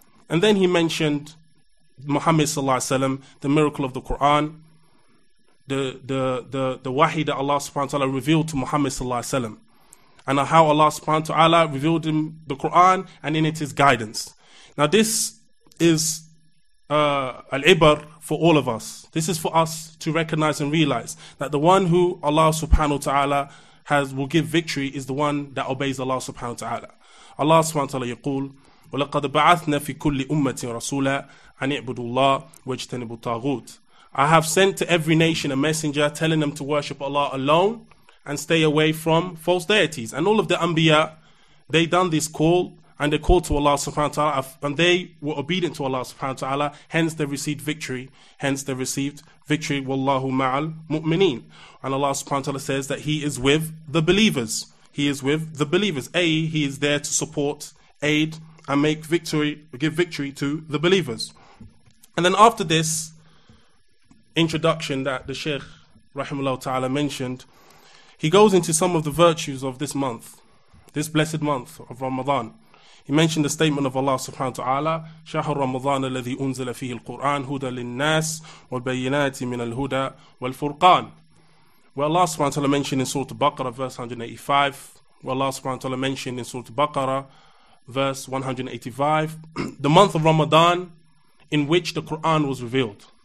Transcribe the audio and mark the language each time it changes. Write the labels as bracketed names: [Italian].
[English] And then he mentioned Muhammad sallallahu alayhi wasalam, the miracle of the Quran, the wahi that Allah subhanahu wa ta'ala revealed to Muhammad sallallahu alayhi wasalam, and how Allah subhanahu wa ta'ala revealed him the Quran, and in it is guidance. Now this is al-ibar for all of us. This is for us to recognize and realize that the one who Allah subhanahu wa ta'ala will give victory is the one that obeys Allah subhanahu wa ta'ala. Allah subhanahu wa ta'ala yaqul, [Arabic] وَلَقَدْ بَعَثْنَا فِي كُلِّ أُمَّةٍ رَسُولًا أَنْ يَعْبُدُوا اللَّهِ وَاجْتَنِبُوا الطَّاغُوتِ. [English] I have sent to every nation a messenger telling them to worship Allah alone and stay away from false deities. And all of the Anbiya, they done this call, and they called to Allah subhanahu wa ta'ala, and they were obedient to Allah subhanahu wa ta'ala, hence they received victory, [Arabic] wallahu ma'al mu'mineen. [English] And Allah subhanahu wa ta'ala says that He is with the believers, i.e. He is there to support, aid, and give victory to the believers. And then after this introduction that the Shaykh, rahimahullah ta'ala, mentioned, he goes into some of the virtues of this month, this blessed month of Ramadan. He mentioned the statement of Allah subhanahu wa ta'ala, [Arabic] شَهْرُ رَمَضَانَ الَّذِي أُنزِلَ فِيهِ الْقُرْآنِ هُدَى لِلنَّاسِ وَالْبَيِّنَاتِ مِنَ الْهُدَى وَالْفُرْقَانِ. [English] Where Allah subhanahu wa ta'ala mentioned in Surah Al-Baqarah, verse 185, where Allah subhanahu wa ta'ala mentioned in Surah Al-Baqarah, verse 185, the month of Ramadan in which the Quran was revealed.